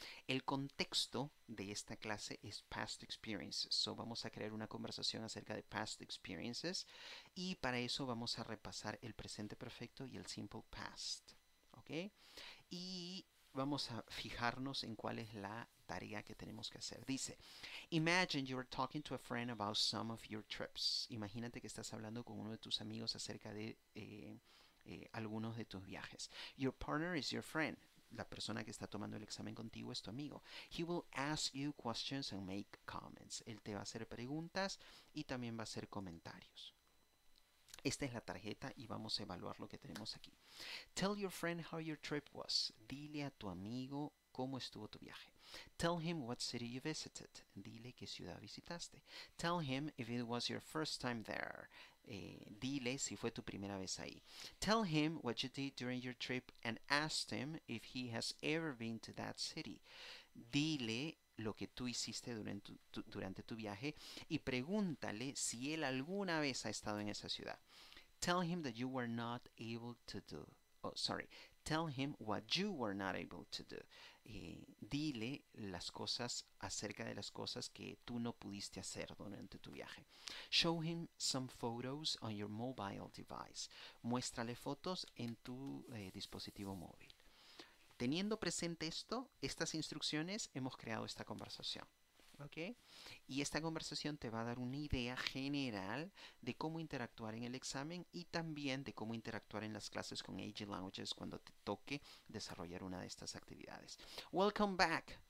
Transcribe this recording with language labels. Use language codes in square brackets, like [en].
[es] El contexto de esta clase es Past Experiences. So vamos a crear una conversación acerca de Past Experiences y para eso vamos a repasar el presente perfecto y el Simple Past. ¿Okay? Y vamos a fijarnos en cuál es la tarea que tenemos que hacer. [en] Dice, imagine you are talking to a friend about some of your trips. [es] Imagínate que estás hablando con uno de tus amigos acerca de algunos de tus viajes. [en] Your partner is your friend. [es] La persona que está tomando el examen contigo es tu amigo. [en] He will ask you questions and make comments. [es] Él te va a hacer preguntas y también va a hacer comentarios. Esta es la tarjeta y vamos a evaluar lo que tenemos aquí. [en] Tell your friend how your trip was. [es] Dile a tu amigo cómo estuvo tu viaje. [en] Tell him what city you visited. [es] Dile qué ciudad visitaste. [en] Tell him if it was your first time there. [es] Dile si fue tu primera vez ahí. [en] Tell him what you did during your trip and ask him if he has ever been to that city. [es] Dile lo que tú hiciste durante tu viaje y pregúntale si él alguna vez ha estado en esa ciudad. [en] Tell him that you were not able to do. Oh, sorry. Tell him what you were not able to do. [es] Dile las cosas acerca de las cosas que tú no pudiste hacer durante tu viaje. [en] Show him some photos on your mobile device. [es] Muéstrale fotos en tu dispositivo móvil. Teniendo presente esto, estas instrucciones, hemos creado esta conversación. ¿Okay? Y esta conversación te va a dar una idea general de cómo interactuar en el examen y también de cómo interactuar en las clases con AG Languages cuando te toque desarrollar una de estas actividades. [en] Welcome back.